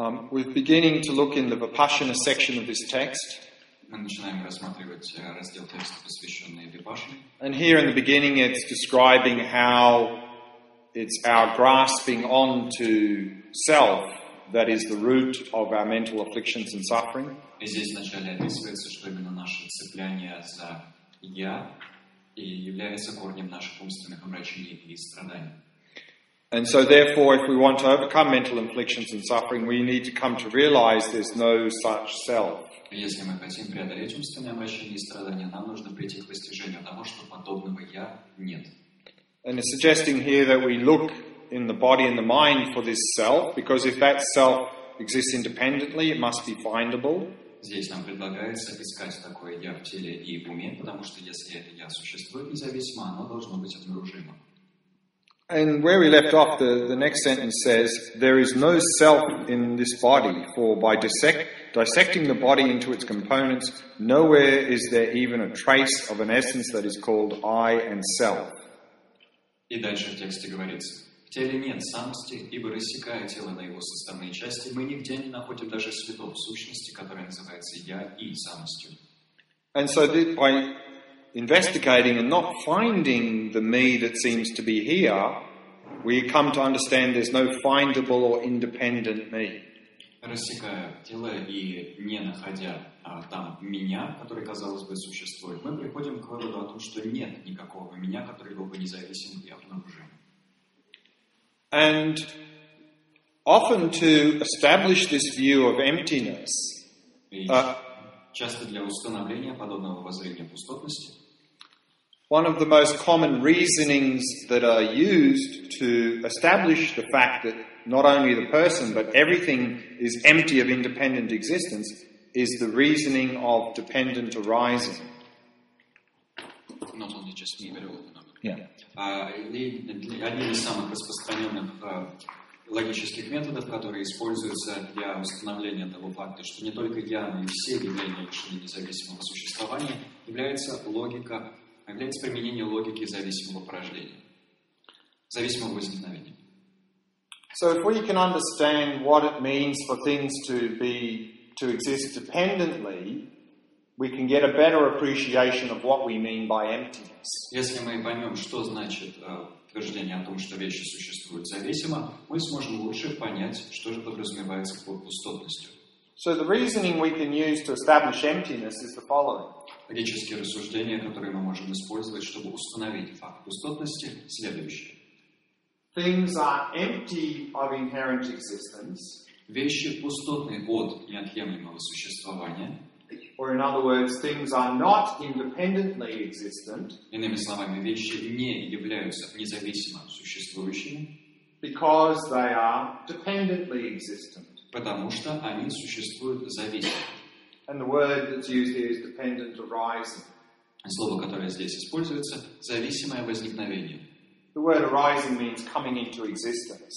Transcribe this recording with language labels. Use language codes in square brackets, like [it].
[en] We're beginning to look in the Vipassana section of this text. [ru] Мы начинаем рассматривать раздел текста, посвященный Випашане. [en] And here in the beginning it's describing how it's our grasping on to self that is the root of our mental afflictions and suffering. [ru] И здесь вначале описывается, что именно наше цепляние за «я» и является корнем наших умственных омрачений и страданий. [en] And so therefore, if we want to overcome mental afflictions and suffering, we need to come to realize there's no such self. [ru] Если мы хотим преодолеть умственные омрачения и страдания, нам нужно прийти к постижению того, что подобного «я» нет. [en] And it's suggesting here that we look in the body and the mind for this self, because if that self exists independently, it must be findable. [ru] Здесь нам предлагается искать такое «я» в теле и в уме, потому что если это «я» существует независимо, оно должно быть обнаружимо. [en] And where we left off, the next sentence says, there is no self in this body, for by dissecting the body into its components, nowhere is there even a trace of an essence that is called I and self. [ru] И дальше в тексте говорится, в теле нет самости, ибо рассекая тело на его составные части, мы нигде не находим даже следов сущности, которая называется я и самостью. [en] And so by investigating and not finding the me that seems to be here, we come to understand there's no findable or independent me. [ru] Рассекая тело и не находя там меня, который, казалось бы, существует, мы приходим к выводу о том, что нет никакого меня, который был бы независим и обнаружим. [en] And often to establish this view of emptiness, [ru] часто для установления подобного воззрения пустотности, [en] one of the most common reasonings that are used to establish the fact that not only the person, but everything is empty of independent existence is the reasoning of dependent arising. Not only just me, but all of them. Yeah. [ru] Одним из самых распространенных логических методов, которые используются для установления того факта, что не только я, но и все явления лишены независимого существования, является логика является применение логики зависимого порождения, зависимого возникновения. [en] So if we can understand what it means for things to exist dependently, we can get a better appreciation of what we mean by emptiness. [ru] Если мы поймем, что значит утверждение о том, что вещи существуют зависимо, мы сможем лучше понять, что же подразумевается под пустотностью. [en] So the reasoning we can use to establish emptiness is the following. [ru] Логические рассуждения, которые мы можем использовать, чтобы установить факт пустотности, следующие. [en] Things are empty of inherent existence. [ru] Вещи пустотны от неотъемлемого существования. [en] Or in other words, things are not independently existent. [ru] Иными словами, вещи не являются независимо существующими. [en] Because they are dependently existent. [ru] Потому что они существуют зависимо. [en] And the word that's used here is dependent arising. [ru] Слово, которое здесь используется, зависимое возникновение. [en] The word arising means coming into existence.